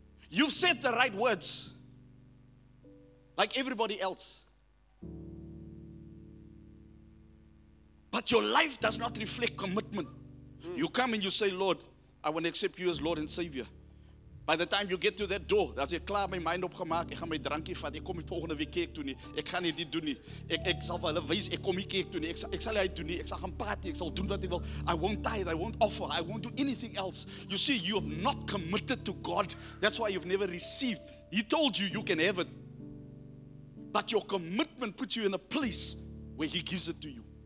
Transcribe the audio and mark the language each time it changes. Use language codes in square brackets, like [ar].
[en] You've said the right words, like everybody else. But your life does not reflect commitment. You come and you say, Lord, I want to accept you as Lord and Savior. By the time you get to that door, that's it. [af] Klaar my mind opgemaak. Ek gaan my drankie vat. Ek kom die volgende week kerk toe nie. Ek gaan nie dit doen nie. Ek sal hulle wys. Ek kom nie kerk toe nie. Ek sal hy doen nie. Ek sal gaan party. Ek sal doen wat ek wil. [en] I won't tithe. I won't offer. I won't do anything else. You see, you have not committed to God. That's why you've never received. He told you, you can have it. But your commitment puts you in a place where He gives it to you.